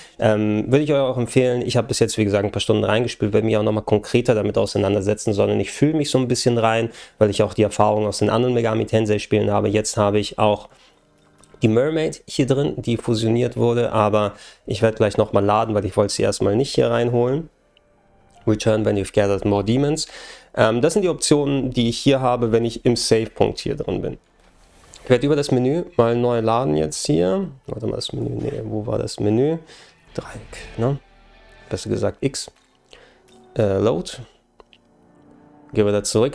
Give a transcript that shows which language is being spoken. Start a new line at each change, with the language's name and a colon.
German: Würde ich euch auch empfehlen, ich habe bis jetzt, wie gesagt, ein paar Stunden reingespielt, werde mich auch nochmal konkreter damit auseinandersetzen, sondern ich fühle mich so ein bisschen rein, weil ich auch die Erfahrung aus den anderen Megami Tensei-Spielen habe. Jetzt habe ich auch die Mermaid hier drin, die fusioniert wurde, aber ich werde gleich nochmal laden, weil ich wollte sie erstmal nicht hier reinholen.
English: Return when you've gathered more demons.
German: Das sind die Optionen, die ich hier habe, wenn ich im Save-Punkt hier drin bin. Ich werde über das Menü mal neu laden jetzt hier. Warte mal, das Menü, nee, wo war das Menü? Dreieck, ne? Besser gesagt X. Load. Gehen wir da zurück.